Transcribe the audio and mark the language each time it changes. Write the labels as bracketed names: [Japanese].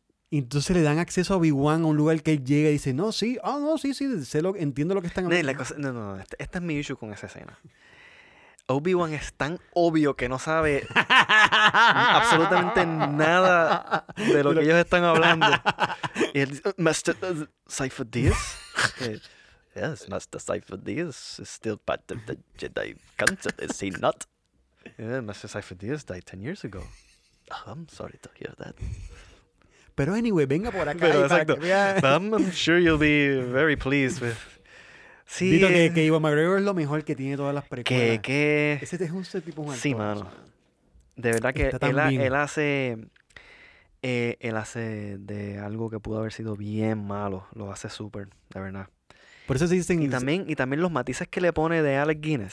[Spanish] Y entonces le dan acceso a Obi-Wan a un lugar que él llega y dice, no, sí, oh, no, sí, sé lo, entiendo lo que están hablando. No, este es mi issue con esa escena. Obi-Wan es tan obvio que no sabe absolutamente nada de lo que ellos están hablando. Y él dice, Master Sifo Dyas? [English] Yes, Master Sifo Dyas is still part of the Jedi Council, is he not? Yeah, Master Sifo Dyas died 10 years ago. Oh, I'm sorry to hear that. [Spanish] Pero anyway, venga por acá. Pero exacto. [English] I'm sure you'll be very pleased with... [Spanish] Sí. Dito que Ewan McGregor es lo mejor que tiene todas las precuelas. ¿Qué? Ese es un tipo malo. Sí, mano. De verdad que él hace... él hace de algo que pudo haber sido bien malo. Lo hace súper, de verdad. Por eso se dicen... Y también los matices que le pone de Alec Guinness.